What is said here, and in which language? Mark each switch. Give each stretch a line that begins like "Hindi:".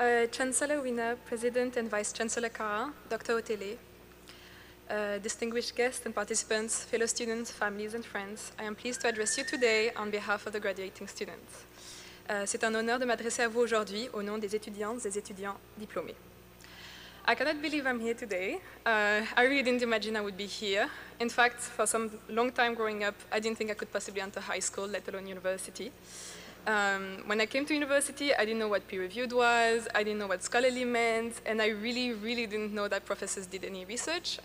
English: Chancellor Wiener, President and Vice Chancellor Cara, Dr. Otele, distinguished guests and participants, fellow students, families, and friends, I am pleased to address you today on behalf of the graduating students.
French: C'est un honneur de m'adresser à vous aujourd'hui au nom des étudiantes et étudiants diplômés.
English: I cannot believe I'm here today. I really didn't imagine I would be here. In fact, for some long time growing up, I didn't think I could possibly enter high school, let alone university. When I came to university, I didn't know what peer-reviewed was, I didn't know what scholarly meant, and I really, really didn't know that professors did any research.